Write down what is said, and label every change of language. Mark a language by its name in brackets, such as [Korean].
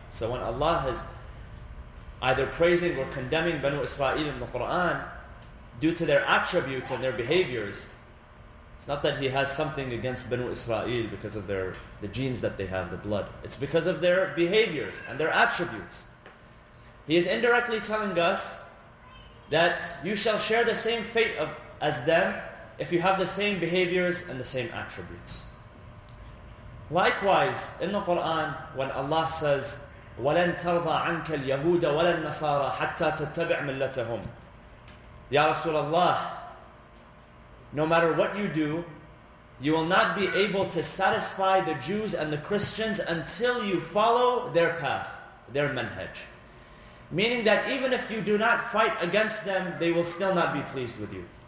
[English] So when Allah is either praising or condemning Banu Israel in the Qur'an due to their attributes and their behaviors, it's not that He has something against Banu Israel because of the genes that they have, the blood. It's because of their behaviors and their attributes. He is indirectly telling us that you shall share the same fate as them if you have the same behaviors and the same attributes. Likewise, in the Qur'an, when Allah says, [Arabic] وَلَن تَرْضَى عَنْكَ الْيَهُودَ وَلَا النَّصَارَى حَتَّى تَتَّبِعْ مِلَّتَهُمْ. [English] Ya Rasulullah, no matter what you do, you will not be able to satisfy the Jews and the Christians until you follow their path, their manhaj. Meaning that even if you do not fight against them, they will still not be pleased with you.